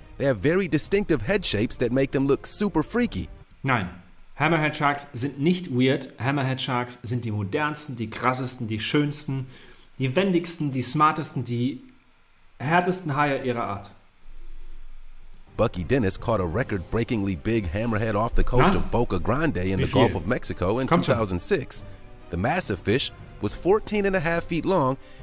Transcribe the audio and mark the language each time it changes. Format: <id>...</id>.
<en>They have very distinctive head shapes that make them look super freaky.</en> <de>Nein, Hammerhead sharks sind nicht weird. Hammerhead sharks sind die modernsten, die krassesten, die schönsten, die wendigsten, die smartesten, die härtesten Haie ihrer Art.</de> <en>Bucky Dennis caught a record-breakingly big hammerhead off the coast of Boca Grande in the Gulf of Mexico in 2006. The massive fish was 14 and a half feet long.</en>